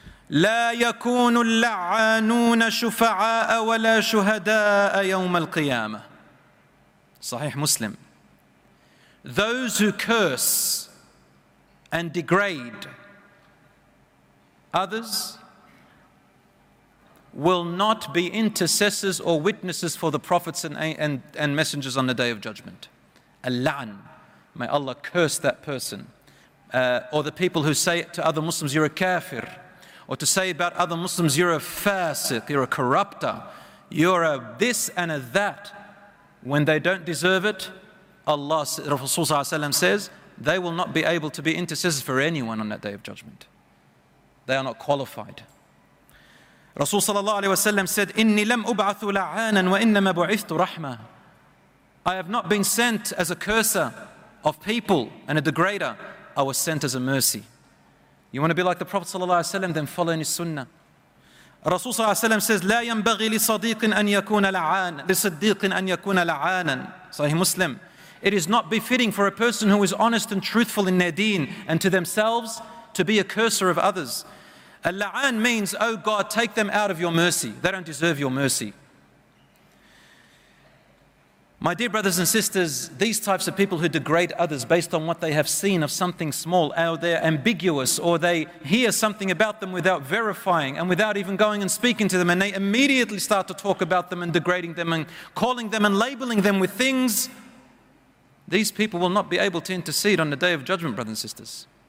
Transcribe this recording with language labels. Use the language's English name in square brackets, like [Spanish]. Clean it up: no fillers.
[Arabic] لا يكون اللعانون شفعاء ولا شهداء يوم القيامة. [English] Sahih Muslim. Those who curse and degrade others will not be intercessors or witnesses for the prophets and messengers on the day of judgment. Al-la'an. May Allah curse that person. Or the people who say to other Muslims, you're a kafir. Or to say about other Muslims, you're a fasiq, you're a corrupter, you're a this and a that. When they don't deserve it, Allah, Rasulullah says, they will not be able to be intercessors for anyone on that day of judgment. They are not qualified. Rasul sallallahu alayhi wa sallam said, [Arabic] إِنِّي لَمْ أُبْعَثُ لَعَانًا وَإِنَّمَا بُعِثْتُ رَحْمًا. [English] I have not been sent as a curser of people and a degrader. I was sent as a mercy. You want to be like the Prophet sallallahu alayhi wa sallam, then follow in his sunnah. Rasul sallallahu alayhi wa sallam says, [Arabic] لَا يَنْبَغِي لِصَدِيقٍ أَنْ يَكُونَ لَعَانًا [English] لِصَدِيقٍ أَنْ يَكُونَ لَعَانًا. Sahih Muslim. It is not befitting for a person who is honest and truthful in their deen and to themselves to be a curser of others. Al-la'an means, oh God, take them out of your mercy. They don't deserve your mercy. My dear brothers and sisters, these types of people who degrade others based on what they have seen of something small, or they're ambiguous, or they hear something about them without verifying and without even going and speaking to them, and they immediately start to talk about them and degrading them and calling them and labeling them with things, these people will not be able to intercede on the day of judgment, brothers and sisters.